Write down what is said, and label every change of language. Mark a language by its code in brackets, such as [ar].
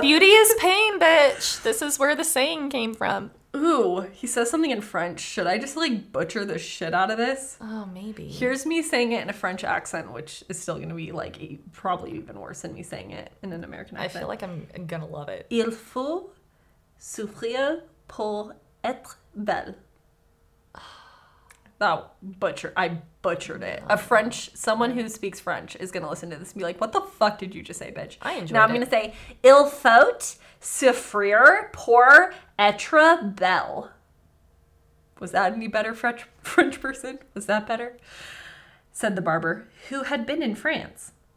[en] Beauty is pain, bitch. This is where the saying came from. Ooh, he says something in French. Should I just, like, butcher the shit out of this? Oh, maybe. Here's me saying it in a French accent, which is still going to be, like, probably even worse than me saying it in an American accent. I feel like I'm going to love it. [fr] Il faut souffrir pour être belle. [en] That I butchered it. A French, someone who speaks French is going to listen to this and be like, what the fuck did you just say, bitch? I enjoyed it. Now I'm going to say, [fr] il faut souffrir pour être belle. [en] Was that any better, French person? Was that better? Said the barber, who had been in France.